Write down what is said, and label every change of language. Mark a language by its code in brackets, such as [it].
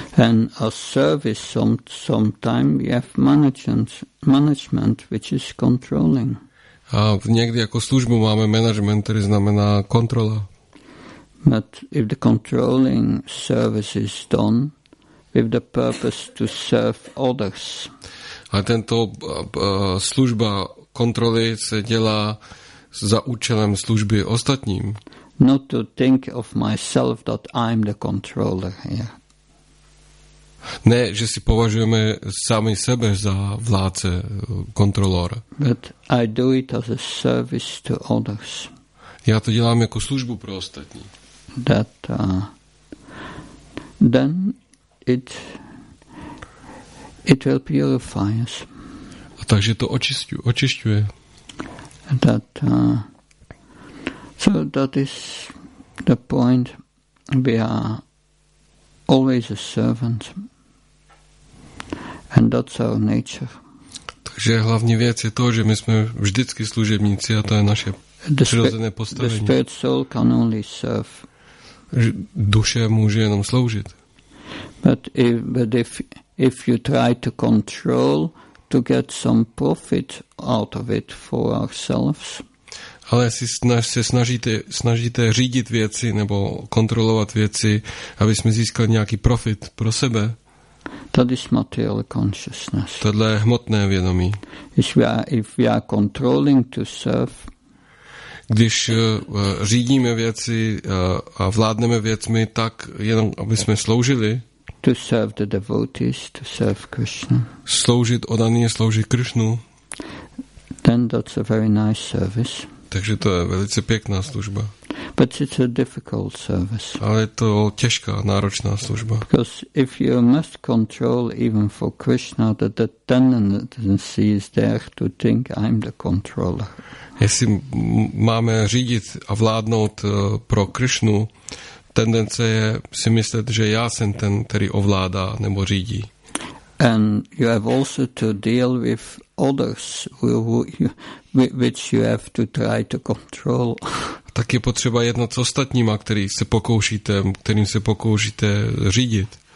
[en] And a service sometime we have management which is controlling. [cs] A někdy jako službu máme management, který znamená kontrola. [en] But if the controlling service is done with the purpose to serve others. [cs] A tento služba kontroly se dělá za účelem služby ostatním. [en] Not to think of myself that I'm the controller here. Yeah. [cs] Ne, že si považujeme sami sebe za vládce, kontrolora. [en] But I do it as a service to others. [cs] Já to dělám jako službu pro ostatní. [en] That then it will purify us. [cs] A takže to očišťuje. [en] That so that is the point. We are always a servant, and that's our nature. [cs] Takže hlavní věc je to, že my jsme vždycky služebníci, a to je naše přirozené postavení. [en] The spirit soul can only serve. [cs] Duše může jenom sloužit. [en] But if you try to control to get some profit out of it for ourselves. [cs] Ale si snažíte řídit věci nebo kontrolovat věci, aby jsme získali nějaký profit pro sebe. [en] That is material consciousness. [cs] Tohle je hmotné vědomí. [en] If we are controlling to serve. [cs] Když řídíme věci a vládneme věcmi tak, jenom aby jsme sloužili. [en] To serve the devotees, to serve Krishna. [cs] Sloužit odaně, sloužit Krishnu. [en] Then that's a very nice service. [cs] Takže to je velice pěkná služba. [en] But it's a difficult service. [cs] Ale je to těžká, náročná služba. [en] Because if you must control even for Krishna, the tendency is there to think I'm the controller. [cs] Jestli máme řídit a vládnout pro Krishnu, tendence je si myslet, že já jsem ten, který ovládá nebo řídí. [en] And you have also to deal with others which you have to try to control. [cs] Tak je potřeba jednat s ostatníma, kterým se pokoušíte řídit.